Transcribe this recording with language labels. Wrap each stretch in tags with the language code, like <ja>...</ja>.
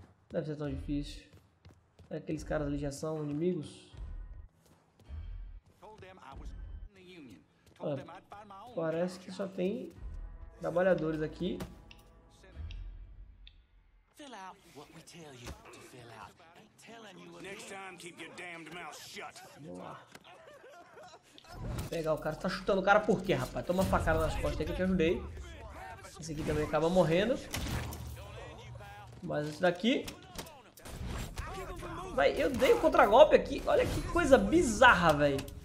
<pt>Deve ser tão difícil. Aqueles caras ali já são inimigos? Mano, parece que só tem trabalhadores aqui.</pt> <en>Fill out what we tell you to fill out. Ain't telling you what. Next time, keep your damned mouth shut.</en> <pt>Pegar o cara, tá chutando o cara por quê, rapaz? Toma facada nas costas aí que eu te ajudei. Esse aqui também acaba morrendo. Mas esse daqui. Vai, eu dei o contragolpe aqui. Olha que coisa bizarra, velho.</pt>